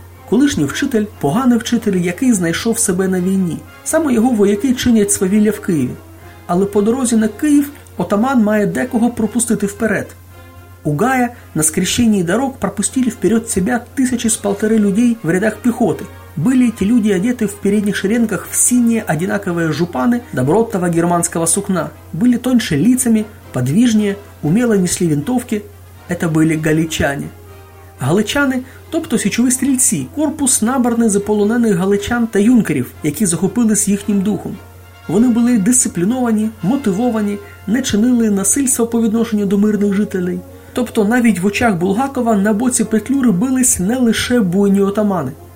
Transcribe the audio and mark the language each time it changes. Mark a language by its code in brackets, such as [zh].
[uk] Колишній вчитель – поганий вчитель, який знайшов себе на війні. Саме його вояки чинять свавілля в Києві. Але по дорозі на Київ отаман має декого пропустити вперед. У Гая на скрещенні дорог пропустили вперед себе тисячі з полтори людей в рядах піхоти. [ru] Были эти люди одеты в передних шеренгах в синие одинаковые жупаны добротного германского сукна. Были тоньше лицами, подвижнее, умело несли винтовки. Это были галичане. [uk] Галичане, тобто січові стрільці, корпус набраний з полонених галичан та юнкерів, які захопились їхнім духом. Вони були дисципліновані, мотивовані, не чинили насильства по відношенню до мирних жителей. Тобто навіть в очах Булгакова на боці Петлюри бились не лише буйні отамани.